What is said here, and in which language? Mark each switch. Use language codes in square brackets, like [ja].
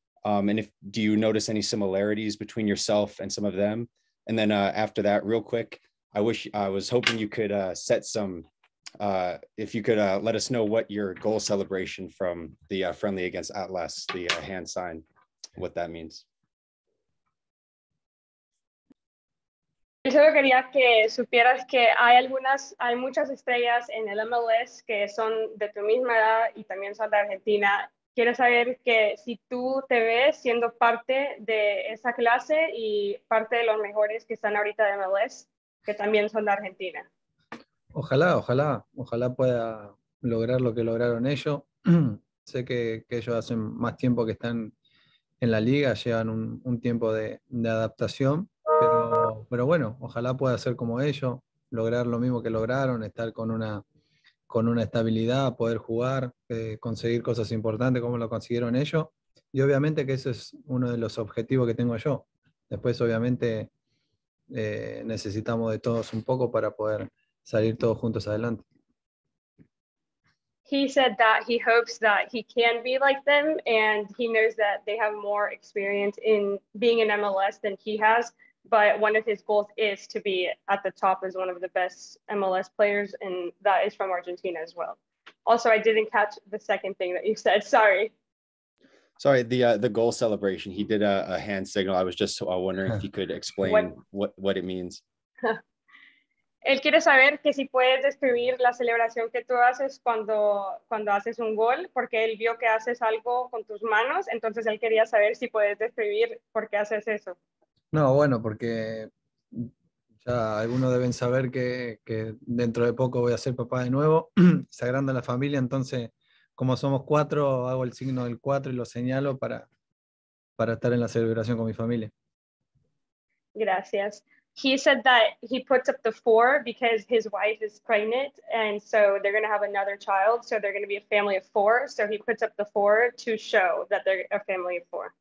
[en] And if do you notice any similarities between yourself and some of them? And then after that, real quick, I was hoping you could let us know what your goal celebration from the friendly against Atlas, the hand sign, what that means. [es] Yo solo quería que supieras que hay muchas estrellas en el MLS que son de tu misma edad y también son de Argentina. Quiero saber que si tú te ves siendo parte de esa clase y parte de los mejores que están ahorita de MLS, que también son de Argentina. Ojalá pueda lograr lo que lograron ellos. Sé que ellos hacen más tiempo que están en la liga, llevan un tiempo de adaptación, pero bueno, ojalá pueda ser como ellos, lograr lo mismo que lograron, estar con una estabilidad, poder jugar, conseguir cosas importantes como lo consiguieron ellos. Y obviamente que ese es uno de los objetivos que tengo yo. Después, obviamente, necesitamos de todos un poco para poder salir todos juntos adelante. [en] He said that he hopes that he can be like them and he knows that they have more experience in being in MLS than he has, but one of his goals is to be at the top as one of the best MLS players and that is from Argentina as well. Also, I didn't catch the second thing that you said, sorry. Sorry, the goal celebration, he did a hand signal. I was just wondering if he could explain what it means. [es] Él quiere saber que si puedes describir la celebración que tú haces cuando, cuando haces un gol, porque él vio que haces algo con tus manos, entonces él quería saber si puedes describir por qué haces eso. No, bueno, porque ya algunos deben saber que dentro de poco voy a ser papá de nuevo, se agranda la familia, entonces como somos cuatro, hago el signo del cuatro y lo señalo para estar en la celebración con mi familia. Gracias. [en] He said that he puts up the four because his wife is pregnant and so they're going to have another child. So they're going to be a family of four. So he puts up the four to show that they're a family of four.